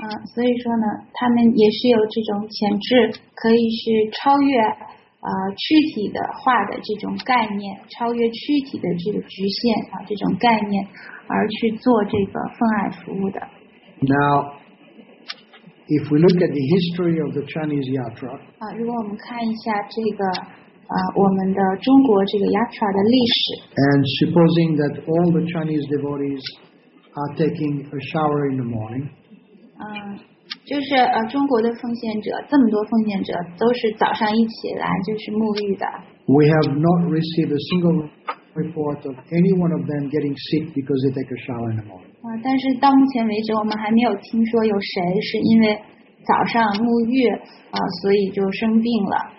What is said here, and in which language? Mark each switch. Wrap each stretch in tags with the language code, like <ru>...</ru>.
<zh>所以说呢，他们也是有这种潜质，可以是超越躯体的化的这种概念，超越躯体的这个局限啊，这种概念而去做这个奉爱服务的。</zh> <en>Now. If we look at the history of the Chinese yatra,</en> <zh>如果我们看一下这个我们的中国这个 yatra 的历史</zh> <en>and supposing that all the Chinese devotees are taking a shower in the morning,</en> <zh>就是中国的奉献者这么多奉献者都是早上一起来就是沐浴的</zh> <en>we have not received a single report of any one of them getting sick because they take a shower in the morning.</en> <zh>但是到目前为止，我们还没有听说有谁是因为早上沐浴所以就生病了。</zh>